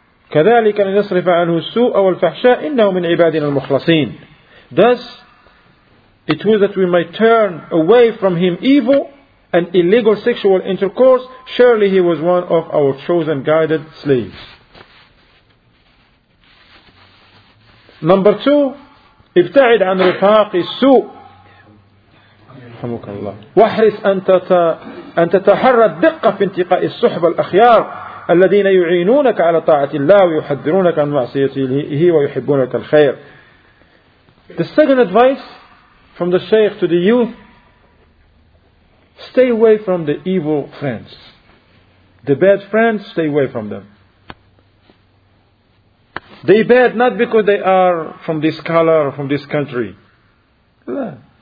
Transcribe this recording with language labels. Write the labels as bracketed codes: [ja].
[ar] كذلك أن يصرف عنه السوء أو الفحشاء إنه من عبادنا المخلصين. [en] Thus, it was that we might turn away from him evil and illegal sexual intercourse. Surely he was one of our chosen guided slaves. Number two, [ar] ابتعد عن رفاق السوء. رحمك الله. واحرص أن تتحرى الدقة في انتقاء الصحبة الأخيار. الذين يعينونك على طاعة الله ويحذرونك عن معصيته ويحبونك الخير. [en] The second advice from the Shaykh to the youth, stay away from the evil friends. The bad friends, stay away from them. They bad not because they are from this color or from this country. No.